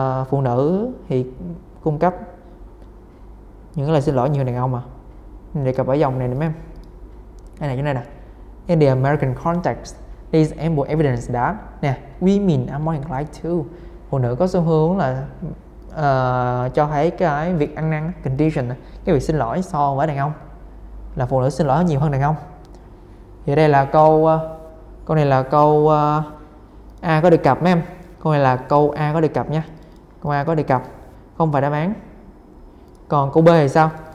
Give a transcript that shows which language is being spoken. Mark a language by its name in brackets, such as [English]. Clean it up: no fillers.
[Vietnamese] Phụ nữ thì cung cấp những lời xin lỗi nhiều hơn đàn ông mà. Đề cập ở dòng này nè mấy em. Đây này, chỗ này nè. [English] In the American context, there is ample evidence that women are more inclined to. [Vietnamese] Phụ nữ có xu hướng là cho thấy cái việc ăn năn, condition, cái việc xin lỗi so với đàn ông, là phụ nữ xin lỗi nhiều hơn đàn ông. Thì đây là câu này là câu A có đề cập mấy em. Câu này là câu A có đề cập nha. Câu A có đề cập, không phải đáp án. Còn câu B thì sao?